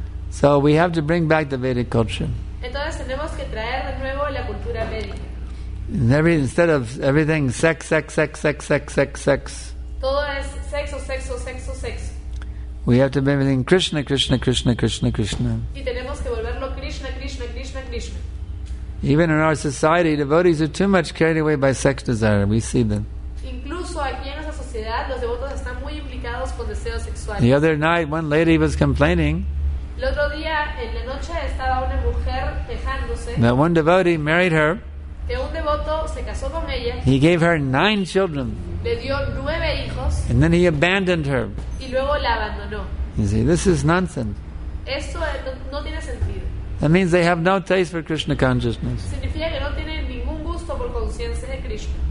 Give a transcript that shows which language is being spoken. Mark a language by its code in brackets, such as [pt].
[en] So we have to bring back the Vedic culture. [es] Entonces tenemos que traer de nuevo la cultura védica. [en] Instead of everything sex, sex, sex, sex, sex, sex, sex. [es] Todo es sexo, sexo, sexo, sexo. [en] We have to bring everything Krishna, Krishna, Krishna, Krishna, Krishna. [es] Y tenemos que volverlo Krishna, Krishna, Krishna, Krishna. [en] Even in our society, devotees are too much carried away by sex desire. We see them. [es] Incluso aquí en nuestra sociedad, los devotos están muy implicados con deseos sexuales. [en] The other night, one lady was complaining. [es] El otro día, en la noche, estaba una mujer quejándose. [en] That one devotee married her. [es] Que un devoto se casó con ella. [en] He gave her 9 children. [es] Le dio 9 hijos. [en] And then he abandoned her. [es] Y luego la abandonó. [en] You see, this is nonsense. [es] Esto no tiene sentido. [en] That means they have no taste for Krishna consciousness. [es] Significa que no tienen ningún gusto por conciencia de Krishna.